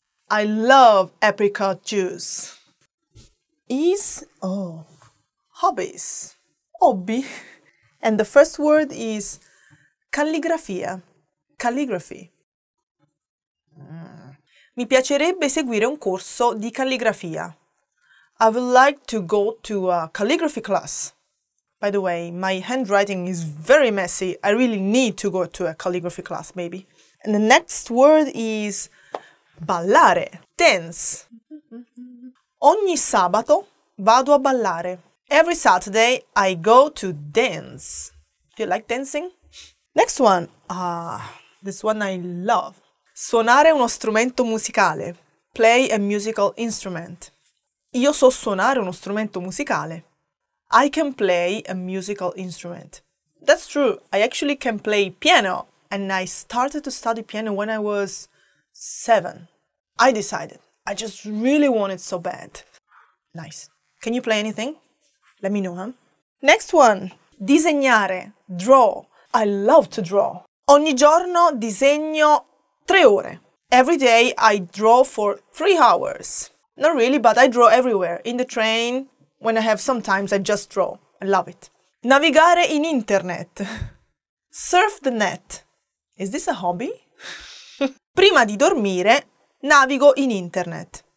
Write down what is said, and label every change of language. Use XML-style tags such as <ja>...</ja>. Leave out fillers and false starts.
<en>I love apricot juice. Is, oh, hobbies, hobby. And the first word is calligrafia, calligraphy.</en> <it>Mi piacerebbe seguire un corso di calligrafia.</it> <en>I would like to go to a calligraphy class. By the way, my handwriting is very messy. I really need to go to a calligraphy class, maybe. And the next word is ballare, dance.</en> <it>Ogni sabato vado a ballare.</it> <en>Every Saturday I go to dance. Do you like dancing? Next one. Ah, this one I love.</en> <it>Suonare uno strumento musicale.</it> <en>Play a musical instrument.</en> <it>Io so suonare uno strumento musicale.</it> <en>I can play a musical instrument. That's true. I actually can play piano. And I started to study piano when I was 7. I decided. I just really want it so bad. Nice. Can you play anything? Let me know, huh? Next one. Disegnare. Draw. I love to draw.</en> <it>Ogni giorno disegno 3 ore.</it> <en>Every day I draw for 3 hours. Not really, but I draw everywhere. In the train, when I have some time, I just draw. I love it.</en> <it>Navigare in internet.</it> <en>Surf the net. Is this a hobby?</en> <it>Prima di dormire, navigo in internet.</it>